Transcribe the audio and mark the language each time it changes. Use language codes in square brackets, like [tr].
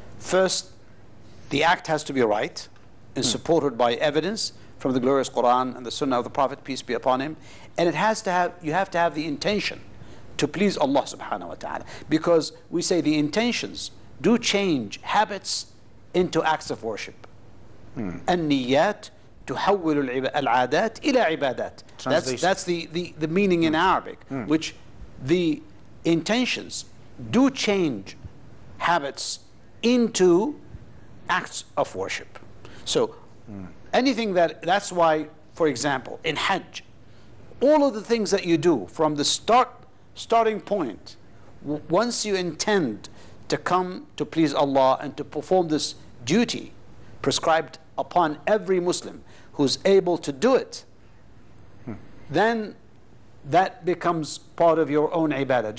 [en] First, the act has to be right and supported by evidence from the glorious Quran and the Sunnah of the Prophet, peace be upon him. And it has to have, you have to have the intention to please Allah subhanahu wa ta'ala. Because we say the intentions do change habits into acts of worship. [ar] النيات تحول العادات إلى عبادات. [en] That's the meaning in Arabic, which the intentions do change habits into acts of worship. So anything that's why, for example, in Hajj, all of the things that you do from the starting point, once you intend to come to please Allah and to perform this duty prescribed upon every Muslim who's able to do it, then that becomes part of your own ibadah.